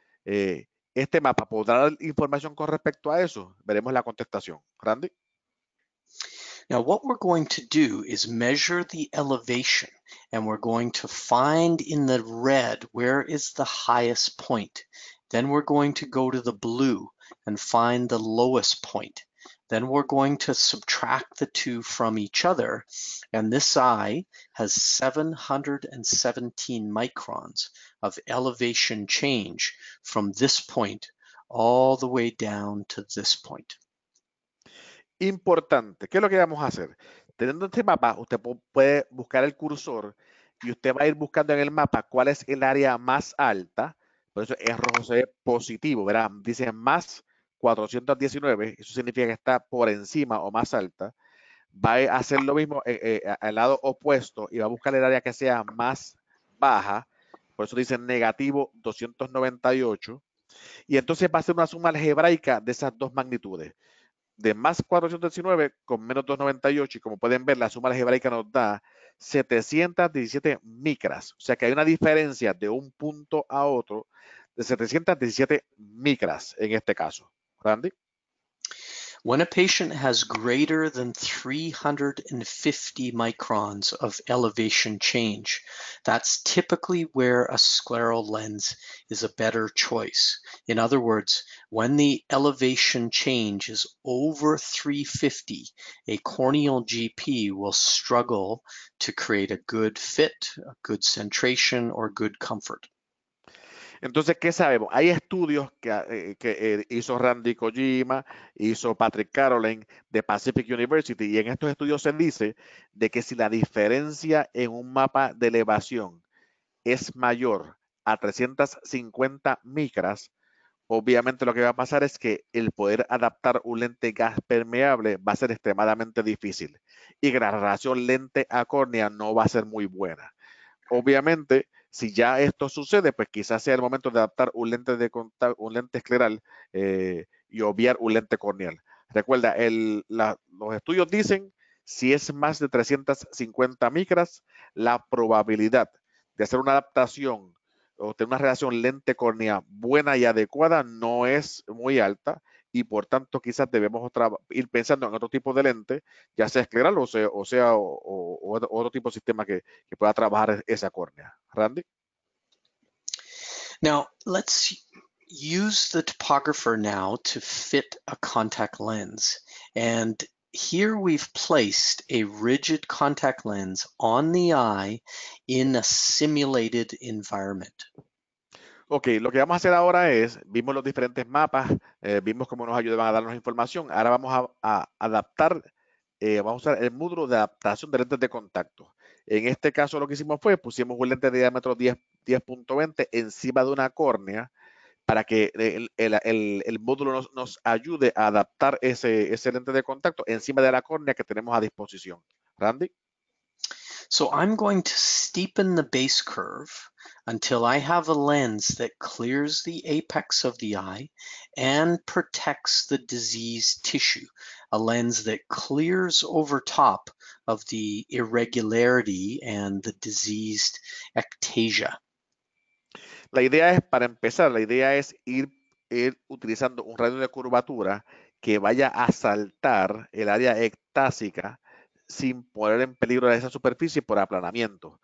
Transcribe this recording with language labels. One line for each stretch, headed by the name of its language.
Spanish: Este mapa podrá dar información con respecto a eso. Veremos la contestación.
English: Randy. Now, what we're going to do is measure the elevation, and we're going to find in the red where is the highest point. Then we're going to go to the blue and find the lowest point. Then we're going to subtract the two from each other, and this eye has 717 microns of elevation change from this point all the way down to this point.
Spanish: Importante, ¿qué es lo que vamos a hacer? Teniendo este mapa, usted puede buscar el cursor y usted va a ir buscando en el mapa cuál es el área más alta, por eso es rojo, se ve positivo, ¿verdad? Dice más 419, eso significa que está por encima o más alta. Va a hacer lo mismo al lado opuesto y va a buscar el área que sea más baja, por eso dice negativo 298, y entonces va a hacer una suma algebraica de esas dos magnitudes. De más 419 con menos 298, y como pueden ver, la suma algebraica nos da 717 micras. O sea que hay una diferencia de un punto a otro de 717 micras en este caso.
English: Randy. When a patient has greater than 350 microns of elevation change, that's typically where a scleral lens is a better choice. In other words, when the elevation change is over 350, a corneal GP will struggle to create a good fit, a good centration, or good comfort.
Spanish: Entonces, ¿qué sabemos? Hay estudios que hizo Randy Kojima, hizo Patrick Carolyn de Pacific University, y en estos estudios se dice de que si la diferencia en un mapa de elevación es mayor a 350 micras, obviamente lo que va a pasar es que el poder adaptar un lente gas permeable va a ser extremadamente difícil y que la relación lente a córnea no va a ser muy buena. Obviamente, si ya esto sucede, pues quizás sea el momento de adaptar un lente de contacto, un lente escleral y obviar un lente corneal. Recuerda, los estudios dicen si es más de 350 micras, la probabilidad de hacer una adaptación o tener una relación lente córnea buena y adecuada no es muy alta y por tanto quizás debemos ir pensando en otro tipo de lente, ya sea escleral o otro tipo de sistema que pueda trabajar esa córnea.
English: Randy. Now, let's use the topographer now to fit a contact lens. And Here we've placed a rigid contact lens on the eye in a simulated environment.
Spanish: Okay, lo que vamos a hacer ahora es, vimos los diferentes mapas, vimos cómo nos ayudaban a darnos información. Ahora vamos a adaptar, vamos a usar el módulo de adaptación de lentes de contacto. En este caso lo que hicimos fue, pusimos un lente de diámetro 10.20 encima de una córnea para que el módulo nos ayude a adaptar ese lente de contacto encima de la córnea que tenemos a disposición.
English: Randy. So I'm going to steepen the base curve until I have a lens that clears the apex of the eye and protects the diseased tissue, a lens that clears over top of the irregularity and the diseased ectasia.
Spanish: La idea es, para empezar, la idea es ir utilizando un radio de curvatura que vaya a saltar el área ectásica sin poner en peligro esa superficie por aplanamiento.